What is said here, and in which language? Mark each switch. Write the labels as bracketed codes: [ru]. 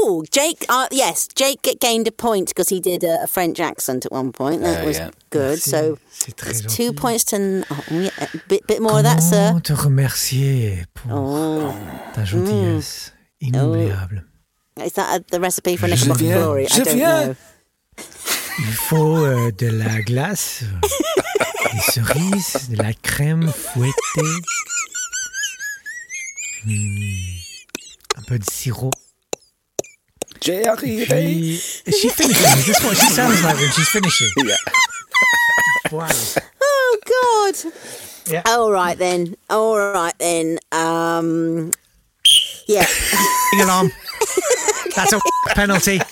[en] Jake. Yes, Jake gained a point because he did a French accent at one point. That was good. So, it's 2 points to... bit more Comment of that, sir. [fr] Comment te remercier pour ta gentillesse inoubliable. [en] Is that the recipe for Nick Mock and Glory? I don't know. [fr] Il faut de la glace, des cerises, de la crème fouettée, un peu de sirop. J'ai arrivé. [en] Is she finishing? Is this what she sounds like when she's finishing? Yeah. Wow. Oh, God. Yeah. All right, then. Ring alarm. That's a penalty.